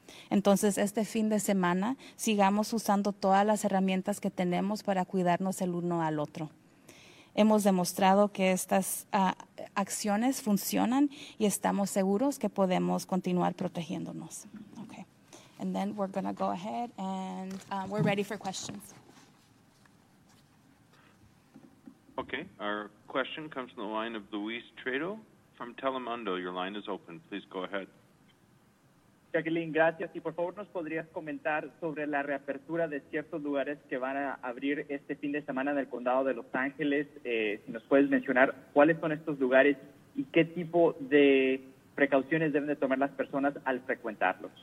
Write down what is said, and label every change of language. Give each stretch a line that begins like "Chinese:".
Spanish: Entonces, este fin de semana, sigamos usando todas las herramientas que tenemos para cuidarnos el uno al otro. Hemos demostrado que estas acciones funcionan y estamos seguros que podemos continuar protegiéndonos.
English: Okay. And then we're going to go ahead and we're ready for questions. Okay. Our question comes from the line of Luis Trejo from Telemundo. Your line is open. Please go ahead.
Spanish: Jacqueline, gracias. Y por favor, ¿nos podrías comentar sobre la reapertura de ciertos lugares que van a abrir este fin de semana en el condado de Los Ángeles? Si nos puedes mencionar cuáles son estos lugares y qué tipo de precauciones deben de tomar las personas al frecuentarlos.